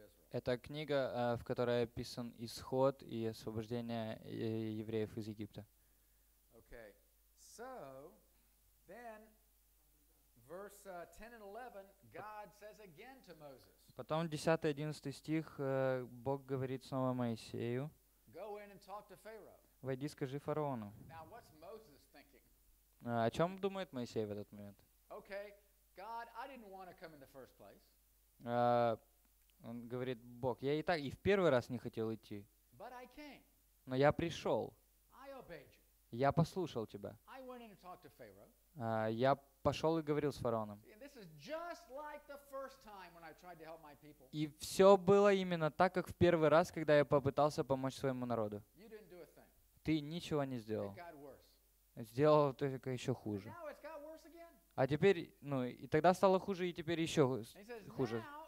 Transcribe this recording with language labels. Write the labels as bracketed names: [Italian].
[Russian] Это книга, в которой описан исход и освобождение евреев из Египта. [English] Okay. So, then, verse 10 and 11, God says again to Moses. [Russian] Потом 10-11 стих, Бог говорит снова Моисею: [English] Go in and talk to Pharaoh. [Russian] Войди, скажи фараону. [English] Now, what's Moses thinking? [Russian] О чем думает Моисей в этот момент? [English] Okay. God, I didn't want to come in the first place. [Russian] Он говорит: Бог, я и так и в первый раз не хотел идти. [English] But I came. [Russian] Но я пришел. [English] I obeyed you. [Russian] Я послушал тебя. [English] I went in and talked to Pharaoh. [Russian] Я пошел и говорил с фараоном. [English] This is just like the first time when I tried to help my people. [Russian] И все было именно так, как в первый раз, когда я попытался помочь своему народу. [English] You didn't do a thing. [Russian] Ты ничего не сделал. [English] It got worse. [Russian] Сделал только еще хуже. [English] Now it's got worse again. [Russian] А теперь, ну, и тогда стало хуже, и теперь еще хуже.